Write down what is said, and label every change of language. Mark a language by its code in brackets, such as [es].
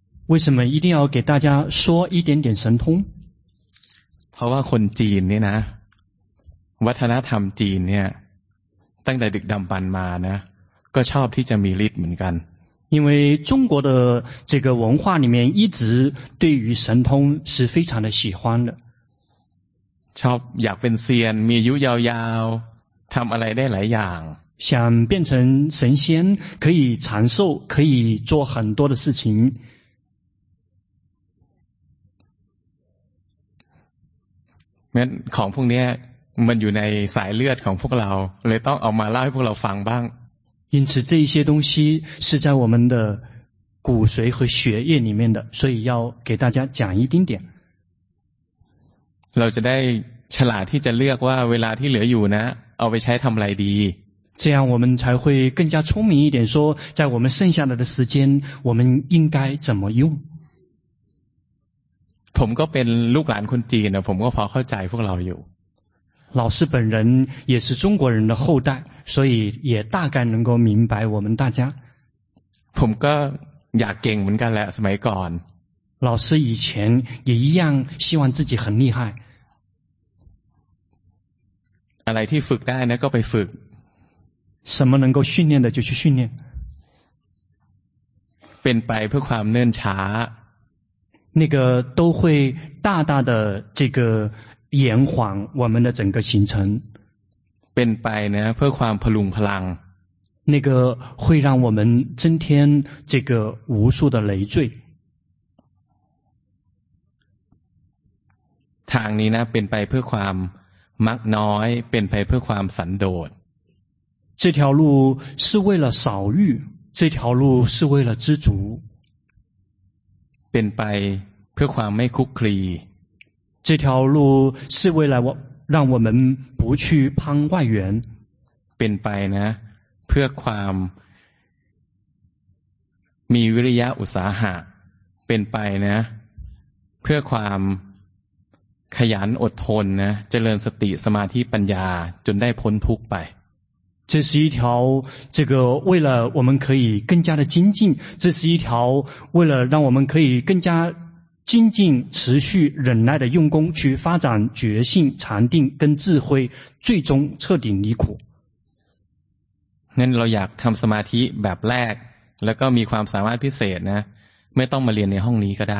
[zh] 为什么一定要给大家说一点点神通 [th] เพราะว่าคนจีนนี่นะวัฒนธรรมจีนเนี่ยตั้งแต่ดึกดำบรรพ์มานะก็ชอบที่จะมีฤทธิ์เหมือนกัน [zh] 因为中国的这个文化里面一直对于神通是非常的喜欢的 [th] ชอบอยากเป็นเซียนมีอายุยาวๆทำอะไรได้หลายอย่าง [zh] 想变成神仙可以长寿可以做很多的事情 [th] งั้นของพวกนี้มันอยู่ในสายเลือดของพวกเราเลยต้องเอามาเล่าให้พวกเราฟังบ้าง [zh] 因此这些东西是在我们的骨髓和血液里面的所以要给大家讲一丁点 [th] เราจะได้ฉลาดที่จะเลือกว่าเวลาที่เหลืออยู่นะเอาไปใช้ทำอะไรดี [zh] 这样我们才会更加聪明一点说在我们剩下来的时间我们应该怎么用 [th] ผมก็เป็นลูกหลานคนจีนนะผมก็พอเข้าใจพวกเราอยู่ [zh] 老师本人也是中国人的后代所以也大概能够明白我们大家 [th] ผมก็อยากเก่งเหมือนกันแหละสมัยก่อน [zh] 老师以前也一样希望自己很厉害 [th] อะไรที่ฝึกได้นะก็ไปฝึก [zh] 什么能够训练的就去训练 [th] เป็นไปเพื่อความเนิ่นช้า [zh] 那个都会大大的这个延缓我们的整个行程 [th] เป็นไปนะเพื่อความพลุงพลัง [zh] 那个会让我们增添这个无数的累赘 [th] ทางนี้นะเป็นไปเพื่อความมักน้อยเป็นไปเพื่อความสันโดษ [zh] 这条路是为了少欲这条路是为了知足 [th] เป็นไปเพื่อความไม่คุกคลี [zh] 这条路是为了让我们不去攀外缘 [th] เป็นไปนะเพื่อความมีวิริยะอุตสาหะเป็นไปนะเพื่อความขยันอดทนนะเจริญสติสมาธิปัญญาจนได้พ้นทุกข์ไป [zh] 这是一条这个为了我们可以更加的精进这是一条为了让我们可以更加精进持续忍耐的用功去发展觉性禅定跟智慧最终彻底离苦 [th] งั้นเราอยากทำสมาธิแบบแรกแล้วก็มีความสามารถพิเศษนะไม่ต้องมาเรียนในห้องนี้ก็ได